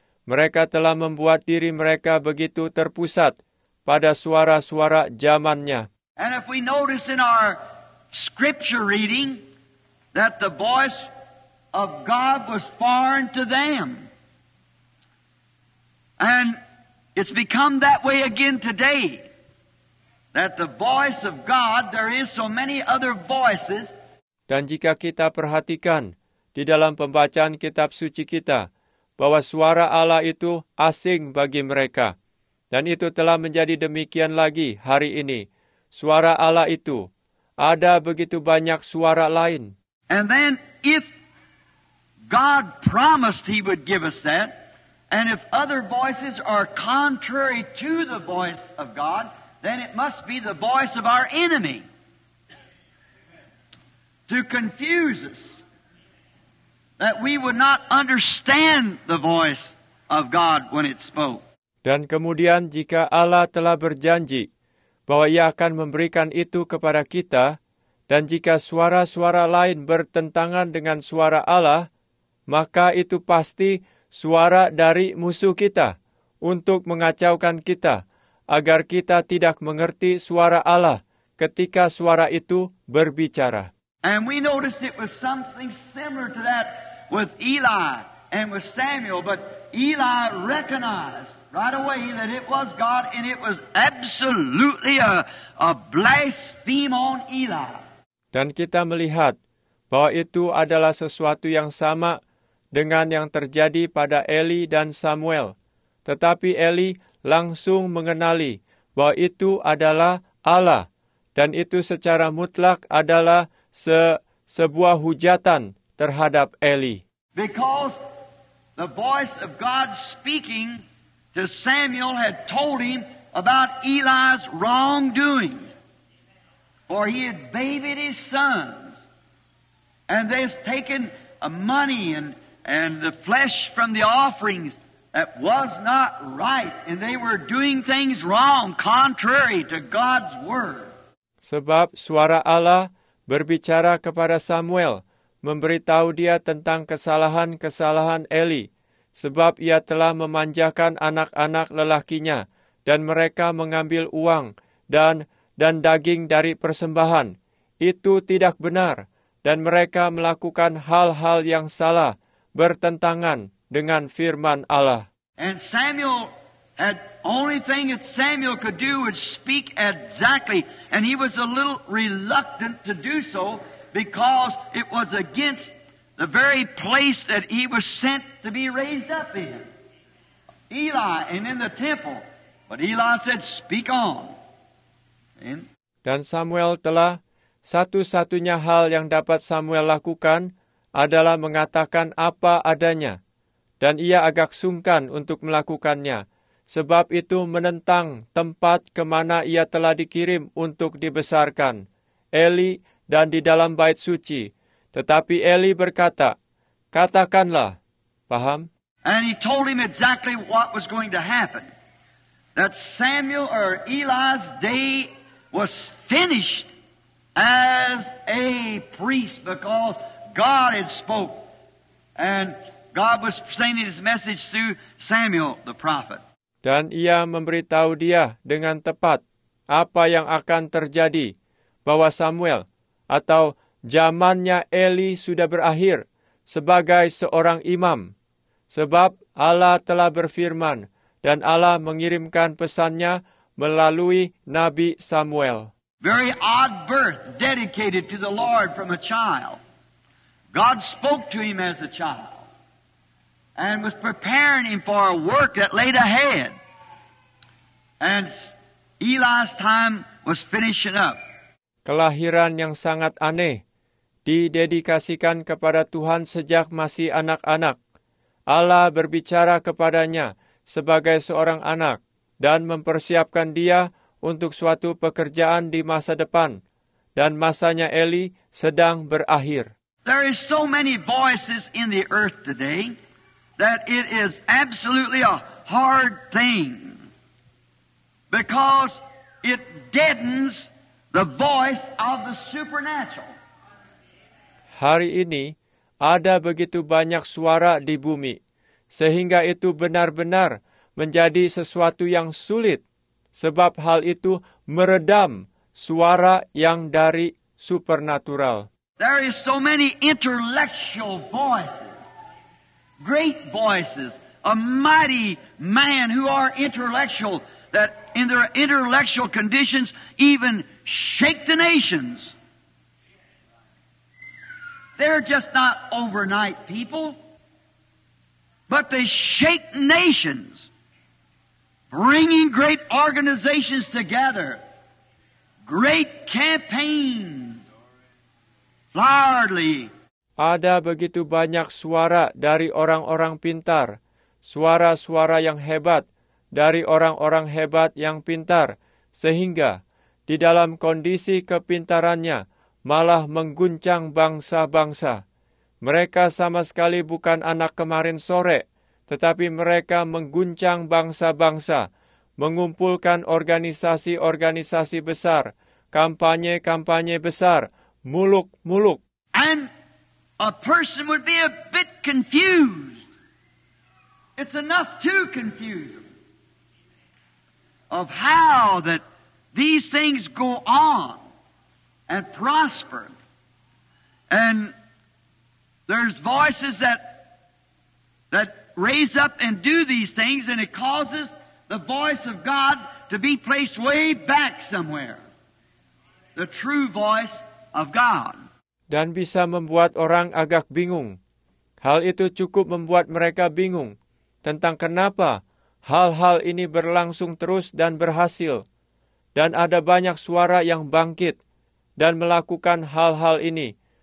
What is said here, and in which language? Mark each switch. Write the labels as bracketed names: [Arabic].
[Indonesian] Mereka telah membuat diri mereka begitu terpusat pada suara-suara zamannya. [English] And if we notice in our scripture reading that the voice of God was foreign to them, and it's become that way again today, that the voice of God, there is so many other voices. [Indonesian] Dan jika kita perhatikan di dalam pembacaan kitab suci kita, bahwa suara Allah itu asing bagi mereka, dan itu telah menjadi demikian lagi hari ini, suara Allah itu, ada begitu banyak suara lain. [English] And then if God promised he would give us that, and if other voices are contrary to the voice of God, then it must be the voice of our enemy to confuse us, that we would not understand the voice of God when it spoke. [Indonesian] Dan kemudian jika Allah telah berjanji bahwa Ia akan memberikan itu kepada kita, dan jika suara-suara lain bertentangan dengan suara Allah, maka itu pasti suara dari musuh kita untuk mengacaukan kita, agar kita tidak mengerti suara Allah ketika suara itu berbicara. [English] And we noticed it was something similar to that with Eli and with Samuel, but Eli recognized right away that it was God, and it was absolutely a blaspheme on Eli. [Indonesian] Dan kita melihat bahwa itu adalah sesuatu yang sama dengan yang terjadi pada Eli dan Samuel. Tetapi Eli langsung mengenali bahwa itu adalah Allah, dan itu secara mutlak adalah sebuah hujatan terhadap Eli. [English] Because the voice of God speaking to Samuel had told him about Eli's wrongdoings. For he had babied his sons, and they had taken money and the flesh from the offerings that was not right, and they were doing things wrong, contrary to God's word. [Indonesian] Sebab suara Allah berbicara kepada Samuel, memberitahu dia tentang kesalahan-kesalahan Eli, sebab ia telah memanjakan anak-anak lelakinya, dan mereka mengambil uang dan daging dari persembahan. Itu tidak benar, dan mereka melakukan hal-hal yang salah, bertentangan dengan firman Allah. [English] And Samuel had only thing that Samuel could do was speak exactly, and he was a little reluctant to do so because it was against the very place that he was sent to be raised up in, Eli, and in the temple. But Eli said, "Speak on." And [Indonesian] dan Samuel telah satu-satunya hal yang dapat Samuel lakukan adalah mengatakan apa adanya, dan ia agak sungkan untuk melakukannya, sebab itu menentang tempat ke mana ia telah dikirim untuk dibesarkan, Eli, dan di dalam bait suci. Tetapi Eli berkata, "Katakanlah." Paham? [English] And he told him exactly what was going to happen, that Samuel or Eli's day was finished as a priest because God had spoke, and God was sending his message through Samuel the prophet. [Indonesian] Dan ia memberitahu dia dengan tepat apa yang akan terjadi, bahwa Samuel atau zamannya Eli sudah berakhir sebagai seorang imam, sebab Allah telah berfirman dan Allah mengirimkan pesannya melalui Nabi Samuel. [English] Very odd birth dedicated to the Lord from a child. God spoke to him as a child and was preparing him for a work that laid ahead. And Eli's time was finishing up. [Indonesian] Kelahiran yang sangat aneh, didedikasikan kepada Tuhan sejak masih anak-anak. Allah berbicara kepadanya sebagai seorang anak dan mempersiapkan dia untuk suatu pekerjaan di masa depan. Dan masanya Eli sedang berakhir. [English] There is so many voices in the earth today that it is absolutely a hard thing, because it deadens the voice of the supernatural. [Indonesian] Hari ini ada begitu banyak suara di bumi, sehingga itu benar-benar menjadi sesuatu yang sulit, sebab hal itu meredam suara yang dari supernatural. [English] There is so many intellectual voices, great voices, a mighty man who are intellectual, that in their intellectual conditions even shake the nations. They're just not overnight people, but they shake nations, bringing great organizations together, great campaigns, loudly. [Indonesian] Ada begitu banyak suara dari orang-orang pintar, suara-suara yang hebat dari orang-orang hebat yang pintar, sehingga di dalam kondisi kepintarannya malah mengguncang bangsa-bangsa. Mereka sama sekali bukan anak kemarin sore, tetapi mereka mengguncang bangsa-bangsa, mengumpulkan organisasi-organisasi besar, kampanye-kampanye besar, muluk-muluk. [English] And a person would be a bit confused. It's enough to confuse them of how that these things go on and prosper. And there's voices that raise up and do these things, and it causes the voice of God to be placed way back somewhere. The true voice of God. [Indonesian] Dan bisa membuat orang agak bingung. Hal itu cukup membuat mereka bingung tentang kenapa hal-hal ini berlangsung terus dan berhasil. Dan ada banyak suara yang bangkit dan melakukan hal-hal ini.